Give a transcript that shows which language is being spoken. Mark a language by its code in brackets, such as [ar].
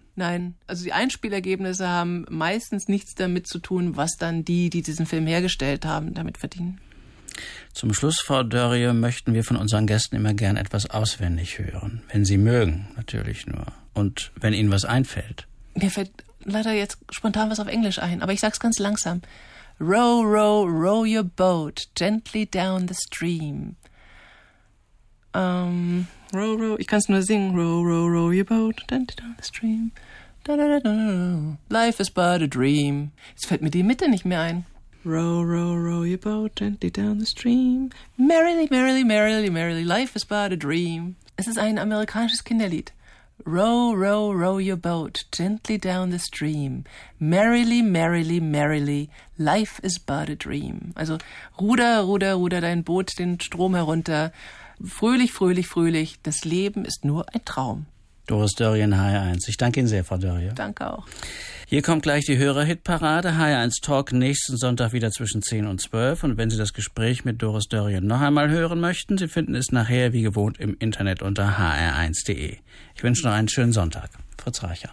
[de] Nein, also die Einspielergebnisse haben meistens nichts damit zu tun, was dann die, die diesen Film hergestellt haben, damit verdienen. Zum Schluss, Frau Dörrie, möchten wir von unseren Gästen immer gern etwas auswendig hören. Wenn Sie mögen, natürlich nur. Und wenn Ihnen was einfällt. Mir fällt leider jetzt spontan was auf Englisch ein, aber ich sag's ganz langsam. [en] Row, row, row your boat gently down the stream. Row, row, [de] ich kann's nur singen. [en] Row, row, row your boat gently down the stream. Da, da, da, da, da. Life is but a dream. [de] Jetzt fällt mir die Mitte nicht mehr ein. [en] Row, row, row your boat gently down the stream. Merrily, merrily, merrily, merrily, life is but a dream. [de] Es ist ein amerikanisches Kinderlied. [en] Row, row, row your boat gently down the stream. Merrily, merrily, merrily, life is but a dream. [de] Also ruder, ruder, ruder dein Boot den Strom herunter. Fröhlich, fröhlich, fröhlich, das Leben ist nur ein Traum. Doris Dörrie in HR1. Ich danke Ihnen sehr, Frau Dörrie. Danke auch. Hier kommt gleich die Hörer-Hitparade. HR1 Talk nächsten Sonntag wieder zwischen 10 und 12. Und wenn Sie das Gespräch mit Doris Dörrie noch einmal hören möchten, Sie finden es nachher wie gewohnt im Internet unter hr1.de. Ich wünsche noch einen schönen Sonntag. Fritz Reichardt.